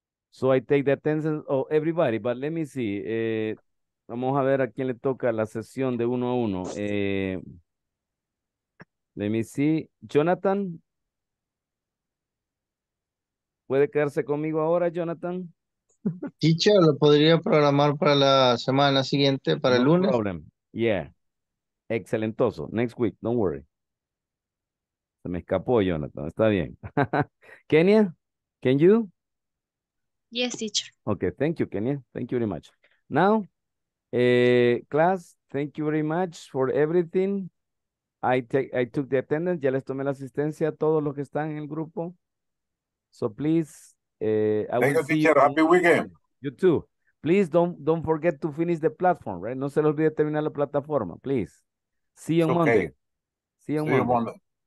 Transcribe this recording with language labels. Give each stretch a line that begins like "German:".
English: So I take the attendance of everybody, but let me see.
Spanish: Vamos a ver a quién le toca la sesión de uno a uno.
English: Let me see. Jonathan.
Spanish: ¿Puede quedarse conmigo ahora, Jonathan? Teacher, lo podría programar para la semana siguiente, para no el lunes.
English: No problem. Yeah. Excelentoso. Next week, don't worry.
Spanish: Se me escapó, Jonathan. Está bien. Kenia,
English: can you? Yes, teacher. Okay, thank you, Kenia. Thank you very much. Now, class, thank you very much for everything. I took the attendance.
Spanish: Ya les tomé la asistencia a todos los que están en el grupo.
English: So please, happy weekend. You too. Please don't forget to finish the platform, right?
Spanish: No se les olvide terminar la plataforma,
English: please. See you on Monday. See you on Monday.